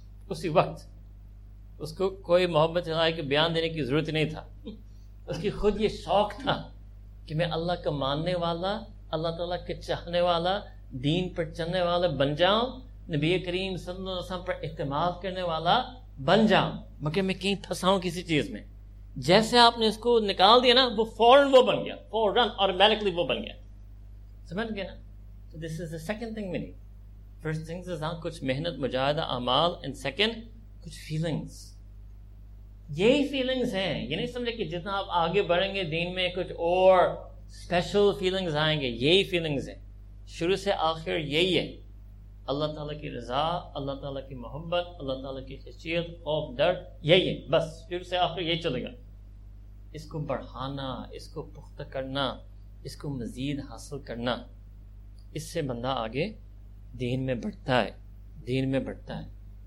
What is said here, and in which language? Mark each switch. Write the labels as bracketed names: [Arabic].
[Urdu] اسی وقت اس کو کوئی محبت الہی کے بیان دینے کی ضرورت نہیں تھا, اس کی خود یہ شوق تھا کہ میں اللہ کا ماننے والا, اللہ تعالیٰ کے چاہنے والا, دین پر چلنے والا بن جاؤں, نبی کریم صلی اللہ علیہ وسلم پر اعتماد کرنے والا بن جاؤں, مگر میں کہیں پھنساؤں کسی چیز میں. جیسے آپ نے اس کو نکال دیا نا, وہ فوراً وہ بن گیا, فوراً آٹومیٹکلی وہ بن گیا, سمجھ گئے نا. [English] this is the second thing, [Urdu] میری [English] first thing is [Urdu] کچھ محنت, مجاہدہ, اعمال, [English] and second [Urdu] کچھ فیلنگس. یہی فیلنگز ہیں. یہ نہیں سمجھے کہ جتنا آپ آگے بڑھیں گے دین میں کچھ اور اسپیشل فیلنگز آئیں گے. یہی فیلنگز ہیں, شروع سے آخر یہی ہے. اللہ تعالیٰ کی رضا, اللہ تعالیٰ کی محبت, اللہ تعالیٰ کی خشیت, خوف, ڈر, یہی ہے بس. شروع سے آخر یہی چلے گا. اس کو بڑھانا, اس کو پختہ کرنا, اس کو مزید حاصل کرنا, اس سے بندہ آگے دین میں بڑھتا ہے, دین میں بڑھتا ہے.